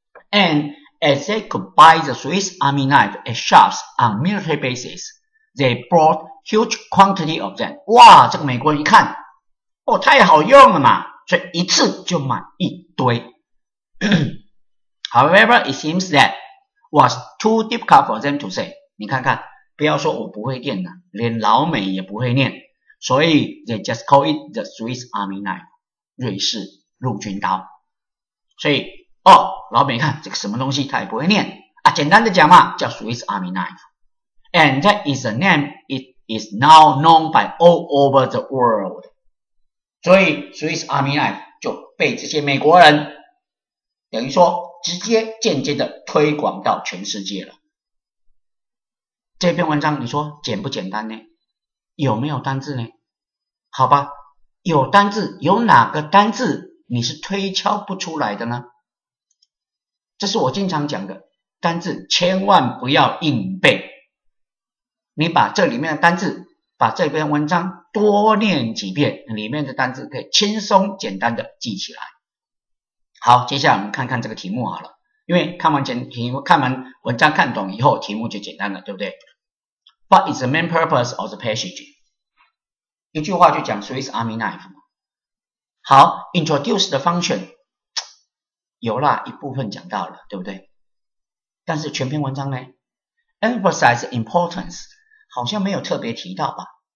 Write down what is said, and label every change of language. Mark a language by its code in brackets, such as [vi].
[en] And as they could buy the Swiss Army knife at shops on military bases, they brought huge quantity of them. [zh] 哇，这个美国人一看，哦，太好用了嘛，所以一次就买一堆。 [en] However, it seems that was too difficult for them to say. [zh] 你看看，不要说我不会念呐，连老美也不会念，所以 [en] they just call it the Swiss Army knife, [zh] 瑞士陆军刀。所以，哦，老美看这个什么东西，他也不会念啊。简单的讲嘛，叫 [en] Swiss Army knife, and that is a name it is now known by all over the world. [zh] 所以 Swiss Army knife 就被这些美国人。等于说直接间接的推广到全世界了。这篇文章你说简不简单呢？有没有单字呢？好吧，有单字，有哪个单字你是推敲不出来的呢？这是我经常讲的，单字千万不要硬背。你把这里面的单字，把这篇文章多念几遍，里面的单字可以轻松简单的记起来。好，接下来我们看看这个题目好了，因为看完文章看懂以后，题目就简单了，对不对？ [en] What is the main purpose of the passage? [zh] 一句话就讲 Swiss Army knife。好， [en] introduce the function [zh] 有啦，一部分讲到了，对不对？但是全篇文章呢？ [en] Emphasize importance [zh] 好像没有特别提到吧。